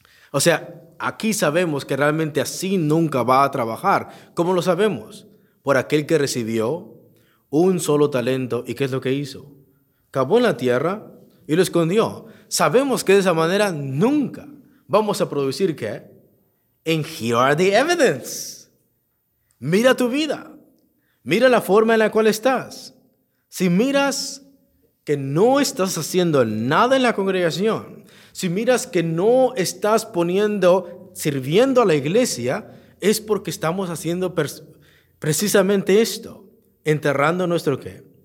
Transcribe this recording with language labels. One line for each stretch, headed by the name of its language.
Spanish: O sea, aquí sabemos que realmente así nunca va a trabajar. ¿Cómo lo sabemos? Por aquel que recibió un solo talento. ¿Y qué es lo que hizo? Cavó en la tierra y lo escondió. Sabemos que de esa manera nunca vamos a producir, ¿qué?
English: And here are the evidence.
Spanish: Mira tu vida. Mira la forma en la cual estás. Si miras que no estás haciendo nada en la congregación, si miras que no estás sirviendo a la iglesia, es porque estamos haciendo precisamente esto, enterrando nuestro qué.